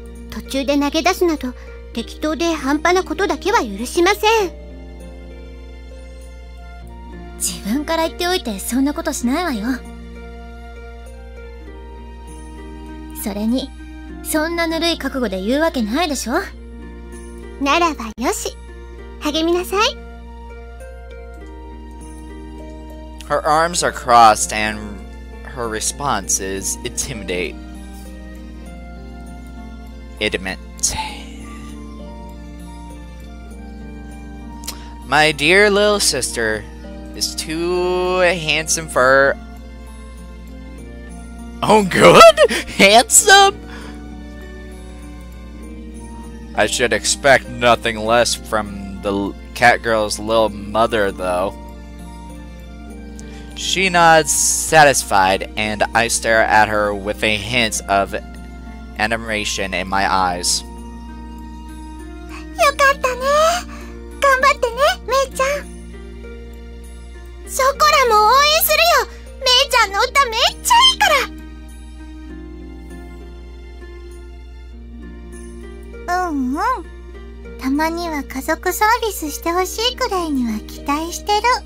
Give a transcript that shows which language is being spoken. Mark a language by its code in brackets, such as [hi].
[ja] 途中で投げ出すなど、適当で半端なことだけは許しません。自分から言っておいてそんなことしないわよ。それに、そんなぬるい覚悟で言うわけないでしょ。ならばよし、励みなさい。 [en] Her arms are crossed and her response is intimidate. Intimidate. My dear little sister is too handsome for her. Oh good? Handsome? I should expect nothing less from the cat girl's little mother, though. She nods satisfied, and I stare at her with a hint of admiration in my eyes. [ja] よかったね。頑張ってね、メイちゃん。そこらも応援するよ。メイちゃんの歌めっちゃいいから。うんうん、たまには家族サービスしてほしいくらいには期待してる。